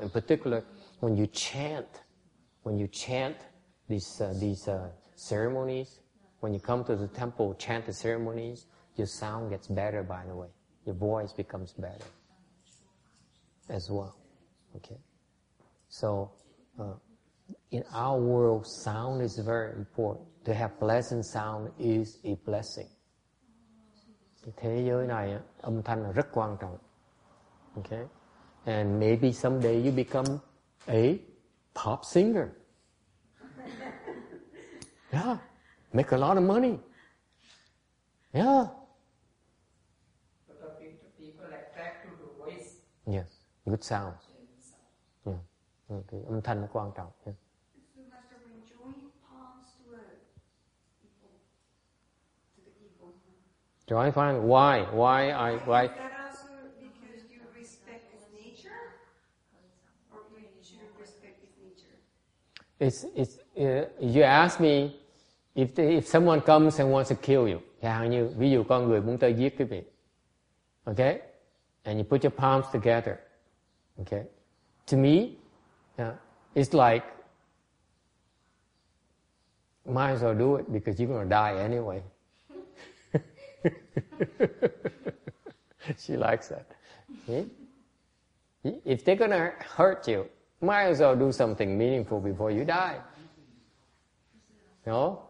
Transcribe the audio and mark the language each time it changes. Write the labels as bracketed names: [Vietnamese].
[English] In particular, when you chant these ceremonies, when you come to the temple, chant the ceremonies, your sound gets better, by the way. Your voice becomes better as well. Okay. So, in our world, sound is very important. To have pleasant sound is a blessing. [Vietnamese] Thế giới này, âm thanh là rất quan trọng. [English] Okay? And maybe someday you become a pop singer. Yeah. Make a lot of money. Yeah. But the people attract to the voice. Yes. Good sound. Yeah. Okay. [Vietnamese] Âm thanh là quan trọng. [English] Yeah. Do I find why? Why I why? Is that also because you respect his nature, or you should respect his nature? You ask me if someone comes and wants to kill you, [Vietnamese] chẳng như ví dụ con người muốn tới giết quý vị, [English] okay? And you put your palms together, okay? To me, it's like might as well do it because you're gonna die anyway. She likes that. If they're gonna hurt you, might as well do something meaningful before you die. No?